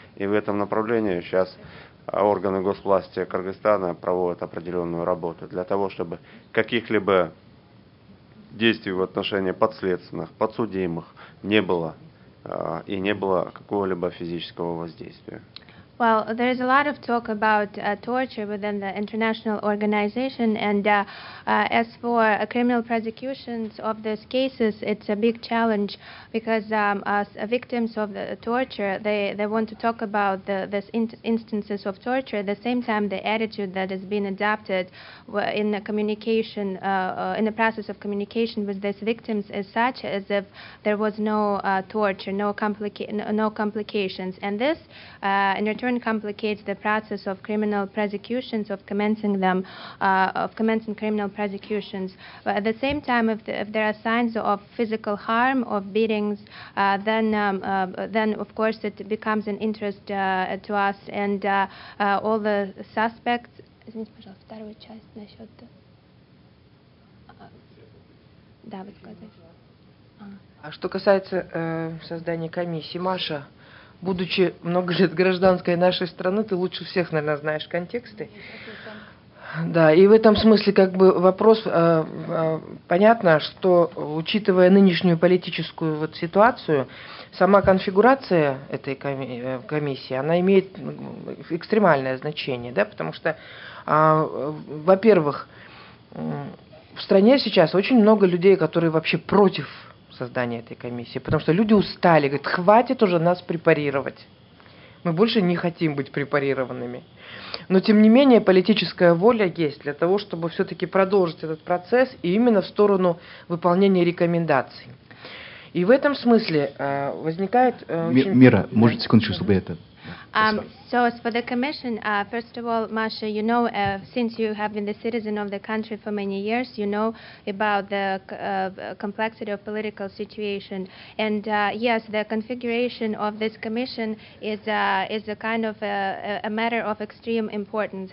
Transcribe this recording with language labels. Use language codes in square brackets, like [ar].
[ru] И в этом направлении сейчас... органы госвласти Кыргызстана проводят определенную работу для того, чтобы каких-либо действий в отношении подследственных, подсудимых не было и не было какого-либо физического воздействия. [en] Well, there is a lot of talk about torture within the international organization, and as for criminal prosecutions of these cases, it's a big challenge because as victims of the torture, they want to talk about these instances of torture. At the same time, the attitude that has been adopted in the communication, in the process of communication with these victims is such as if there was no torture, no complications. And this, in return, complicates the process of criminal prosecutions, of commencing them, of commencing criminal prosecutions. But at the same time, if there are signs of physical harm, of beatings, then of course it becomes an interest to us and all the suspects. [ru] Извините, пожалуйста, вторую часть насчет. Да, вот сказать. А что касается создания комиссии, Маша? Будучи много лет гражданкой нашей страны, ты лучше всех, наверное, знаешь контексты. Да, и в этом смысле как бы вопрос, понятно, что учитывая нынешнюю политическую вот ситуацию, сама конфигурация этой комиссии, она имеет экстремальное значение, да, потому что, во-первых, в стране сейчас очень много людей, которые вообще против создания этой комиссии, потому что люди устали, говорят, хватит уже нас препарировать. Мы больше не хотим быть препарированными. Но, тем не менее, политическая воля есть для того, чтобы все-таки продолжить этот процесс и именно в сторону выполнения рекомендаций. И в этом смысле возникает... Мира, может, секундочку, чтобы это... [en] So as for the commission, first of all, Masha, you know, since you have been the citizen of the country for many years, you know about the complexity of political situation. And yes, the configuration of this commission is a kind of a matter of extreme importance.